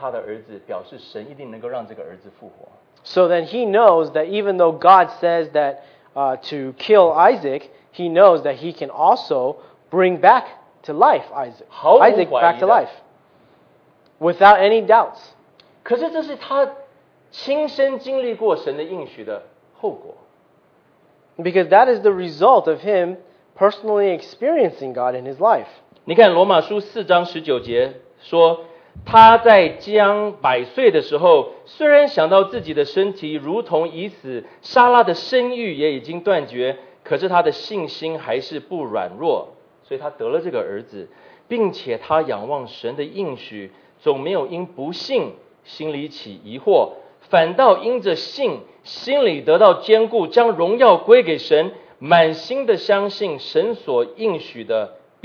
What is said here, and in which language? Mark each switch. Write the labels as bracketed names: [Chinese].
[Chinese] 所以他就知道如果神要他杀他的儿子表示神一定能够让这个儿子复活。 [English] So then he knows that even though God says that to kill Isaac, he knows that he can also bring back to life Isaac back to life without any doubts. [Chinese] 可是这是他亲身经历过神的应许的后果。 [English] Because that is the result of him personally experiencing God in his life. [Chinese] 你看罗马书四章十九节说, 他在将百岁的时候, 虽然想到自己的身体如同已死, 莎拉的生育也已经断绝, 可是他的信心还是不软弱, 所以他得了这个儿子, 并且他仰望神的应许, 总没有因不信心里起疑惑, 反倒因着信, 心里得到坚固, 将荣耀归给神, 满心的相信神所应许的,